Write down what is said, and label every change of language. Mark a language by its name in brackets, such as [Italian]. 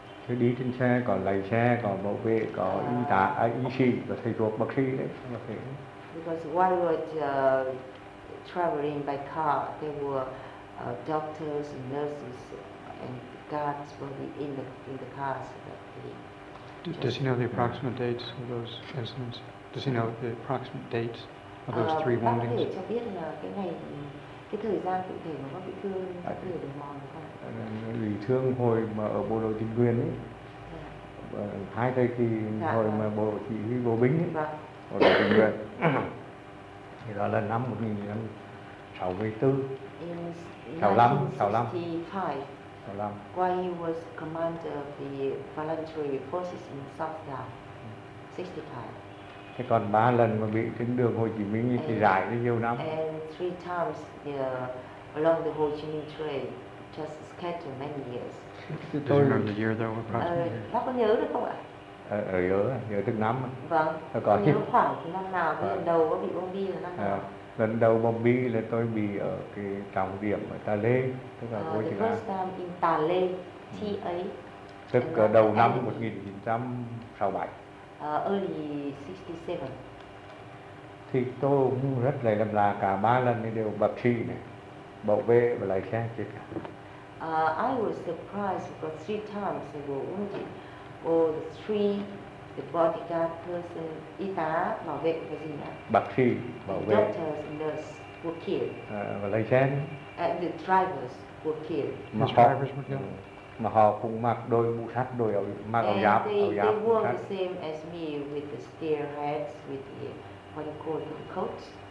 [Vietnamese] Thế đi trên xe có lái xe, có bảo vệ, có y tá, y sĩ và thầy thuốc, bác sĩ đấy. [English] Because while we were traveling by car, there were doctors, and nurses, and guards were in the cars. Does he know the approximate dates of those incidents? Does he know the approximate dates of those 3 woundings? [Vietnamese] Bác có thể cho biết là cái ngày cái thời gian cụ thể mà bác bị thương ở đường mòn không? Bị thương hồi mà ở bộ đội tình nguyện ấy, hai thời kỳ hồi mà bộ chỉ huy bộ binh ấy, bộ đội tình nguyện thì đó là năm 1965. [English] While he was commander of the voluntary forces in South Laos, 65. [Vietnamese] Thế còn 3 lần mà bị trên đường Hồ Chí Minh thì dài rất nhiều năm. [English] And 3 times along the Ho Chi Minh Trail, just scattered many years. Do you remember the year though, approximately? [Vietnamese] Bác có nhớ được không ạ? Nhớ từng năm. Vâng, nhớ khoảng năm nào, lần đầu có bị bom bi là năm nào? Lần đầu bom bi là tôi bị ở cái trọng điểm ở Tà Lê, tức là Hồ Chí Minh. [English] The first time in Tà Lê, TA. [Vietnamese] Tức đầu năm 1967. [English] Early 67. [Vietnamese] Thì tôi cũng rất là lầm là cả 3 lần đều bác sĩ này, bảo vệ và lái xe chết cả. [English] I was surprised because 3 times I was wounded. All three, the bodyguard person, [Vietnamese] y tá, bảo vệ và gì nữa? Bác sĩ, bảo vệ. [English] Doctors and nurses were killed. [Vietnamese] Và lái xe. [English] And the drivers were killed. [Vietnamese] Mà họ cũng mặc đôi mũ sắt, đôi áo mặc áo giáp, [English] they wore the same as me with the steel hats, with the what you call the coats,